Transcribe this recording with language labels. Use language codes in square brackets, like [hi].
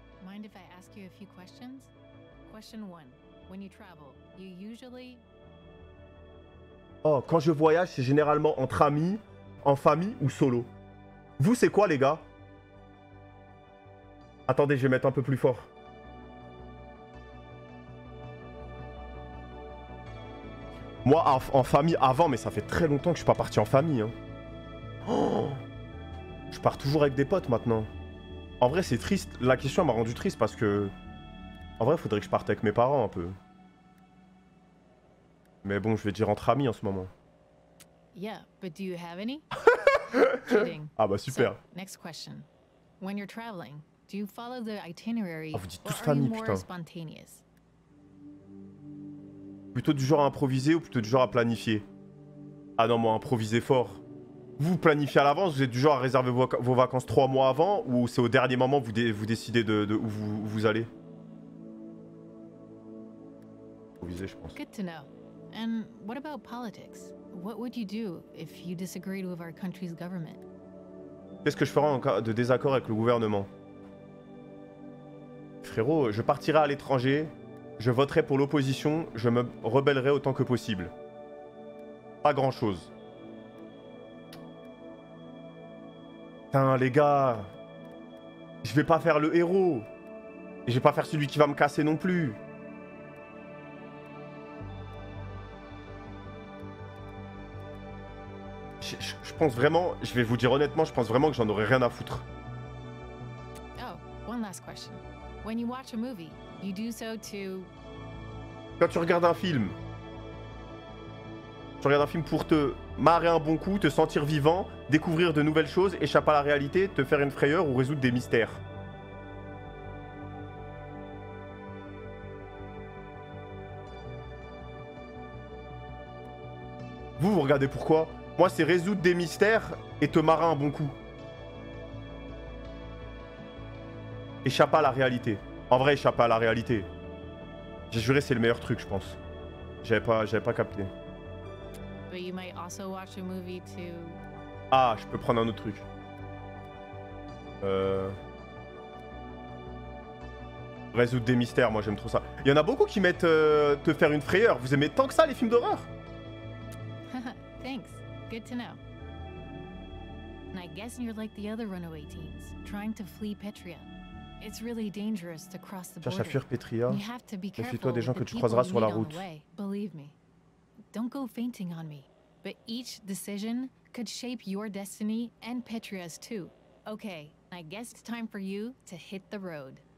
[en] Mind if I ask you a few questions? Question 1. When you travel, you usually... [fr] Oh, quand je voyage, c'est généralement entre amis, en famille ou solo. Vous, c'est quoi, les gars? Attendez, je vais mettre un peu plus fort. Moi, en famille avant, mais ça fait très longtemps que je suis pas parti en famille. Hein. Oh, je pars toujours avec des potes maintenant. En vrai, c'est triste. La question m'a rendu triste parce que... En vrai, faudrait que je parte avec mes parents un peu. Mais bon, je vais dire entre amis en ce moment. [en] Yeah, but do you have any? [fr] Ah bah super. [en] So, next question. When you're traveling, do you follow the itinerary? [fr] Ah, vous dites tous famille, putain. [en] Spontaneous? [fr] Plutôt du genre à improviser ou plutôt du genre à planifier? Ah non, moi improviser fort. Vous planifiez à l'avance, vous êtes du genre à réserver vos vacances 3 mois avant ou c'est au dernier moment vous décidez de où vous allez? Improviser, je pense. [en] Good to know. And what about politics? What would you do if you disagreed with our country's government? [fr] Qu'est-ce que je ferais en cas de désaccord avec le gouvernement? Frérot, je partirai à l'étranger, je voterai pour l'opposition, je me rebellerai autant que possible. Pas grand-chose. Putain, les gars, je vais pas faire le héros. Et je vais pas faire celui qui va me casser non plus. Je pense vraiment, je vais vous dire honnêtement, je pense vraiment que j'en aurais rien à foutre. [en] Oh, one last question. When you watch a movie, you do so to... [fr] Quand tu regardes un film, tu regardes un film pour te marrer un bon coup, te sentir vivant, découvrir de nouvelles choses, échapper à la réalité, te faire une frayeur ou résoudre des mystères. Vous regardez pourquoi? Moi, c'est résoudre des mystères et te marrer un bon coup. Échappe à la réalité. En vrai, échappe à la réalité. J'ai juré, c'est le meilleur truc, je pense. J'avais pas capté. [en] But you might also watch a movie to... [fr] Ah, je peux prendre un autre truc. Résoudre des mystères, moi, j'aime trop ça. Il y en a beaucoup qui mettent te faire une frayeur. Vous aimez tant que ça, les films d'horreur? [en] Thanks. Good to know. And I guess you're like the other runaway teens, trying to flee Petria. It's really dangerous to cross the border. [fr] Cherche à fuir Petria. Méfie-toi des gens que tu croiseras sur la route. [en] Believe me. Don't go fainting on me. But each decision could shape your destiny and Petria's too. Okay, I guess it's time for you to hit the road.